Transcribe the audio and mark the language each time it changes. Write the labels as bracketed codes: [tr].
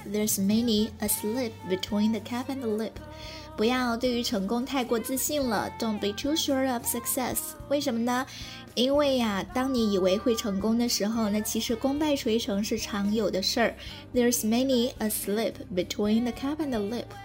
[en] There's many a slip between the cup and the lip. [zh] 不要对于成功太过自信了。 [en] Don't be too sure of success. [zh] 为什么呢？因为呀，当你以为会成功的时候，那其实功败垂成是常有的事儿。 [en] There's many a slip between the cup and the lip.